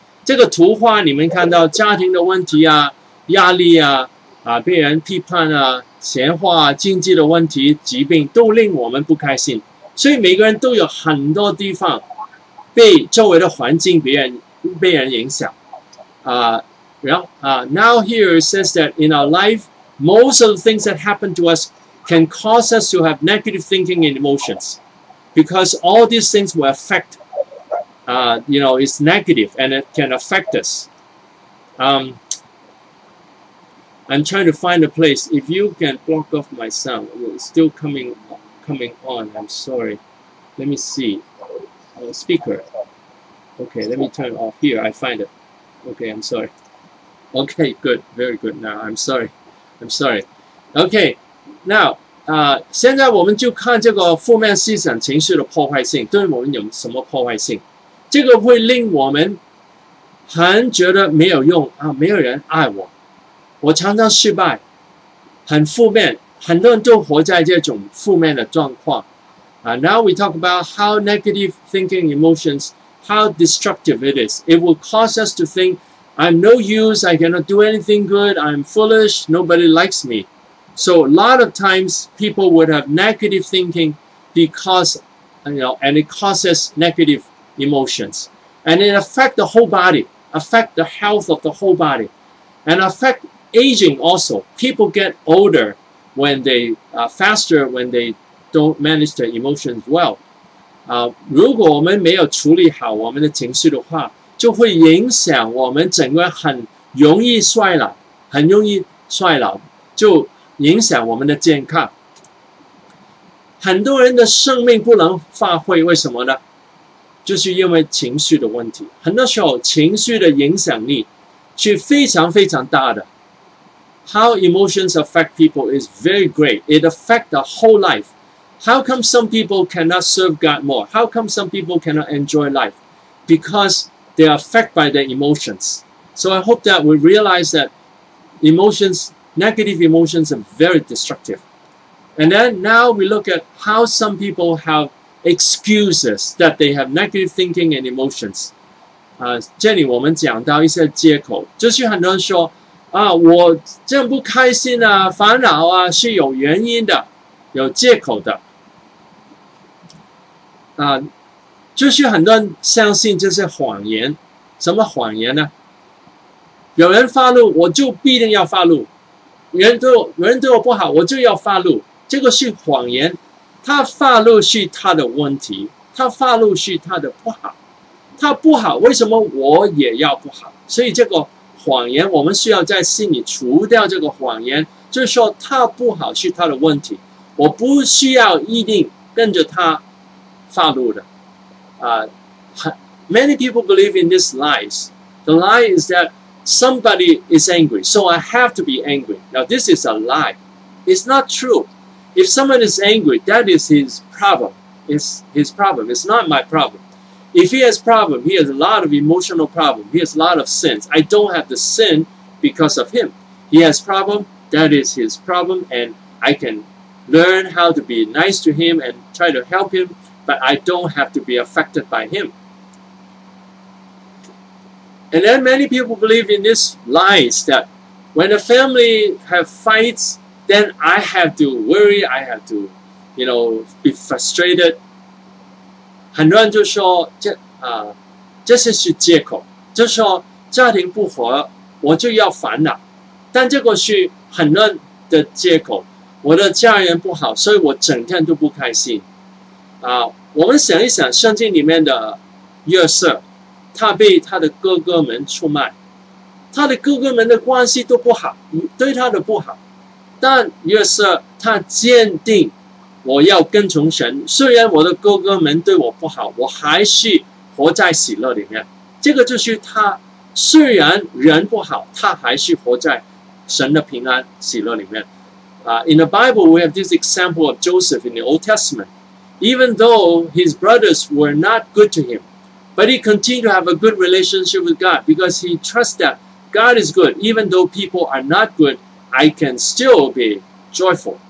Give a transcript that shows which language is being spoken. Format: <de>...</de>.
<zh>这个图画你们看到家庭的问题啊，压力啊。被人批判啊，闲话、啊、经济的问题、疾病都令我们不开心，所以每个人都有很多地方被周围的环境、被人影响。</zh> <en>Now here it says that in our life, most of the things that happen to us can cause us to have negative thinking and emotions, because all these things will affect, you know, it's negative and it can affect us. I'm trying to find a place. If you can block off my sound, it's still coming on. I'm sorry. Let me see. Speaker. Okay, let me turn it off here. I find it. Okay, I'm sorry. Okay, good. Very good. Now, I'm sorry. I'm sorry. Okay, now,</en> <zh>现在我们就看这个负面思想情绪的破坏性，对我们有什么破坏性？这个会令我们很觉得没有用啊，没有人爱我，我常常失败，很负面，很多人都活在这种负面的状况。</zh> <en>Now we talk about how negative thinking emotions, how destructive it is. It will cause us to think, I'm no use, I cannot do anything good, I'm foolish, nobody likes me. So a lot of times people would have negative thinking because, you know, and it causes negative emotions. And it affects the whole body, affects the health of the whole body, and affects aging also. People get older when they, faster when they,don't manage the emotions well.</en> <zh>如果我们没有处理好我们的情绪的话，就会影响我们整个很容易衰老，很容易衰老，就影响我们的健康。很多人的生命不能发挥，为什么呢？就是因为情绪的问题。很多时候情绪的影响力是非常非常大的。</zh> <en>How emotions affect people is very great. It affects the whole life. How come some people cannot serve God more? How come some people cannot enjoy life? Because they are affected by their emotions. So I hope that we realize that emotions, negative emotions are very destructive. And then now we look at how some people have excuses that they have negative thinking and emotions.</en> <zh>这里我们讲到一些借口，就是很多人说啊，我这样不开心啊，烦恼啊，是有原因的，有借口的。就是很多人相信这些谎言，什么谎言呢？有人发怒，我就必定要发怒；人对我不好，我就要发怒。这个是谎言，他发怒是他的问题，他发怒是他的不好，他不好，为什么我也要不好？所以这个谎言，我们需要在心里除掉这个谎言，就是说他不好是他的问题，我不需要一定跟着他。发怒的</zh> <en>many people believe in this lies. The lie is that somebody is angry, so I have to be angry. Now, this is a lie. It's not true. If someone is angry, that is his problem. It's his problem. It's not my problem. If he has problem, he has a lot of emotional problem. He has a lot of sins. I don't have the sin because of him. He has problem, that is his problem, and I can learn how to be nice to him and try to help him. But I don't have to be affected by him. And then many people believe in this lies that when a family have fights, then I have to worry, I have to, you know, be frustrated.</en> <zh>很多人就说这些是借口，就说家庭不和，我就要烦恼。但这个是很多人的借口，我的家人不好，所以我整天都不开心。我们想一想圣经里面的约瑟，他被他的哥哥们出卖，他的哥哥们的关系都不好，对他的不好，但约瑟他坚定我要跟从神，虽然我的哥哥们对我不好，我还是活在喜乐里面。这个就是他虽然人不好，他还是活在神的平安喜乐里面。</zh> <en>In the Bible we have this example of Joseph in the Old Testament. Even though his brothers were not good to him, but he continued to have a good relationship with God because he trusts that God is good. Even though people are not good, I can still be joyful.</en>